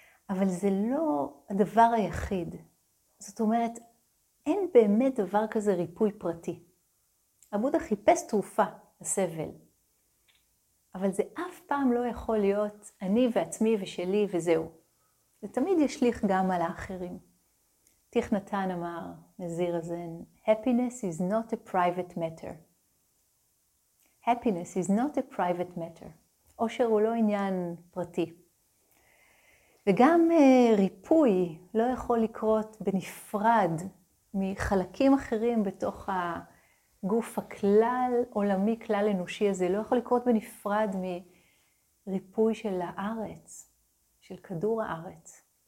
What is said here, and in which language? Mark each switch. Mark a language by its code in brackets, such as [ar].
[he] אבל זה לא הדבר היחיד. זאת אומרת, אין באמת דבר כזה ריפוי פרטי. הבודה חיפש תרופה לסבל. אבל זה אף פעם לא יכול להיות אני ועצמי ושלי וזהו. זה תמיד ישליך גם על האחרים. תיך נתן אמר, נזיר הזן, [en] happiness is not a private matter. Happiness is not a private matter. [he] אושר הוא לא עניין פרטי. וגם ריפוי לא יכול לקרות בנפרד מחלקים אחרים בתוך גוף הכלל עולמי, כלל אנושי הזה, לא יכול לקרות בנפרד מריפוי של הארץ, של כדור הארץ.